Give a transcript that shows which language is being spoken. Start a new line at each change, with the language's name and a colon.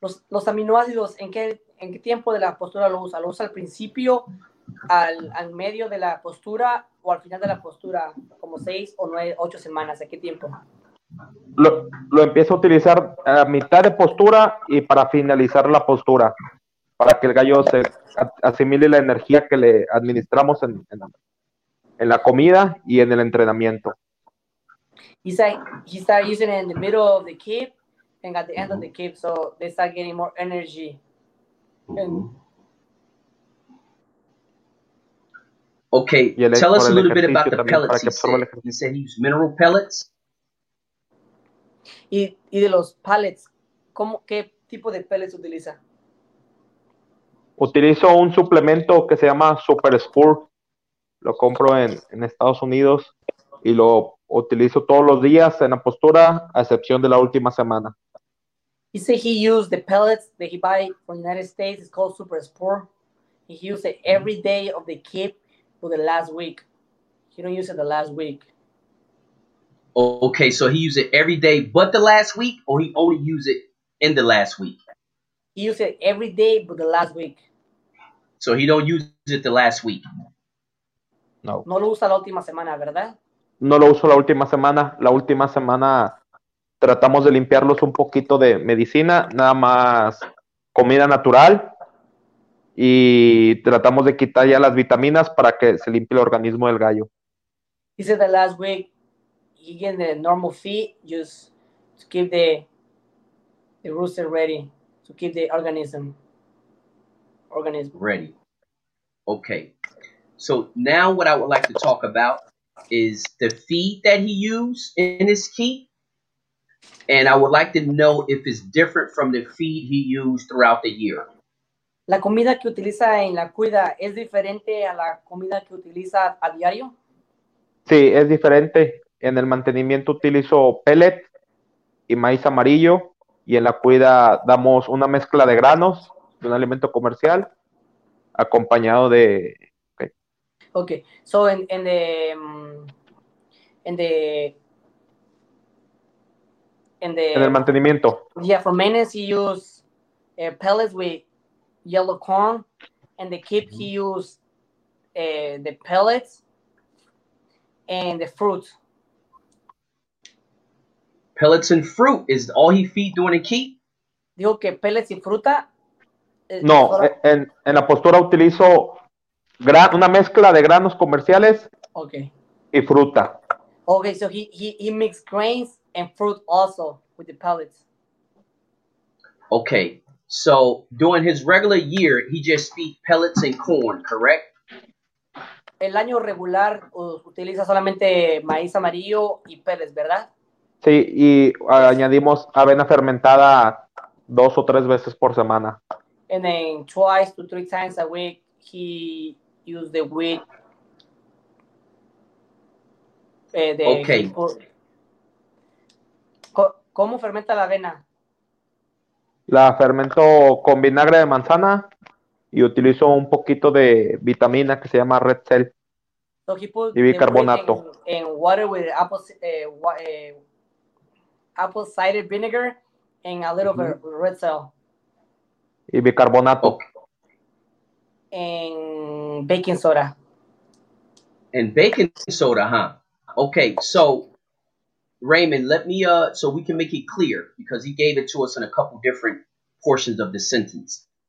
Spanish: Los aminoácidos, ¿en qué tiempo de la postura lo usa? ¿Lo usa al principio, al medio de la postura o al final de la postura, como 6 o 9, 8 semanas? ¿A qué tiempo? Lo empieza a utilizar a mitad de postura y para finalizar la postura, para que el gallo se asimile la energía que le administramos en la comida y en el entrenamiento.
English: He started using it in the middle of the keep and at the end of the keep, so they start getting more energy. Okay, tell us a little bit about the pellets. He said he used mineral pellets.
Spanish: Y de los pellets, ¿qué tipo de pellets utiliza? Utilizo un suplemento que se llama Super Spur. Lo compro en Estados Unidos y lo utilizo todos los días en la postura, a excepción de la última semana.
English: He said he used the pellets that he buy from the United States. It's called Super Sport. He used it every day of the camp for the last week. He don't use it the last week. Okay, so he used it every day but the last week, or he only use it in the last week? He used it every day but the last week. So he don't use it the last week? No.
Spanish: No lo usa la última semana, ¿verdad? No lo uso la última semana. La última semana tratamos de limpiarlos un poquito de medicina, nada más comida natural, y tratamos de quitar ya las vitaminas para que se limpie el organismo del gallo.
English: He said that last week, he getting the normal feed, just to keep the rooster ready, to keep the organism ready. Okay. So now what I would like to talk about is the feed that he used in his keep, and I would like to know if it's different from the feed he used throughout the year.
Spanish: La comida que utiliza en la cuida es diferente a la comida que utiliza a diario? Sí, es diferente. En el mantenimiento utilizo pellet y maíz amarillo, y en la cuida damos una mezcla de granos de un alimento comercial acompañado de.
English: Okay, so in the
Spanish: mantenimiento.
English: Yeah, for maintenance he use pellets with yellow corn, and the keep he use the pellets and the fruit. Pellets and fruit is all he feed during the keep.
Spanish: Digo que pellets y fruta. No, en la postura utilizo una mezcla de granos comerciales,
English: okay,
Spanish: y fruta.
English: Okay, so he mixed grains and fruit also with the pellets. Okay, so during his regular year, he just feed pellets and corn, correct?
Spanish: El año regular utiliza solamente maíz amarillo y pellets, ¿verdad? Sí, y añadimos avena fermentada dos o tres veces por semana.
English: And then twice to three times a week, he use the wheat. Okay.
Spanish: ¿Cómo fermenta la avena? La fermento con vinagre de manzana y utilizo un poquito de vitamina que se llama Red Cell.
English: So he put
Spanish: y bicarbonato.
English: In water with apple cider vinegar and a little bit of Red Cell.
Spanish: Y bicarbonato.
English: And baking soda. And baking soda, huh? Okay, so Raymond, let me, so we can make it clear, because he gave it to us in a couple different portions of the sentence.